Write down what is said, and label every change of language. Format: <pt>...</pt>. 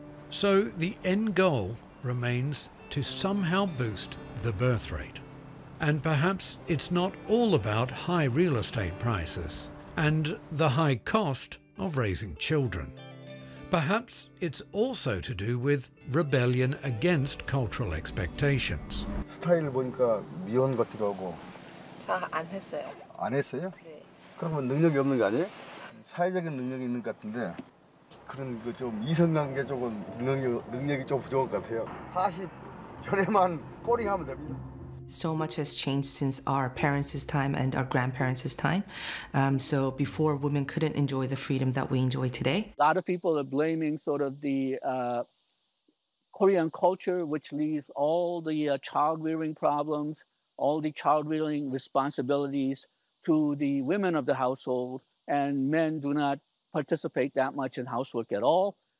<en>So the end goal remains to somehow boost the birth rate. And perhaps it's not all about high real estate prices and the high cost of raising children. Perhaps it's also to do with rebellion against cultural expectations.</en> <ko>스타일을 보니까 미혼 같기도 하고. 저 안 했어요. 안 했어요? 네. 그러면 능력이 없는 거 아니에요? 사회적인 능력이 있는 것 같은데 그런 그 좀 이성관계 쪽은 능력이 좀 부족한 것 같아요. 40 전에만 꼬링 하면 됩니다.</ko> <en>So much has changed since our parents' time and our grandparents' time. So before, women couldn't enjoy the freedom that we enjoy today. A lot of people are blaming sort of the Korean culture, which leaves all the child-rearing problems, all the child-rearing responsibilities to the women of the household, and men do not participate that much in housework at all.</en>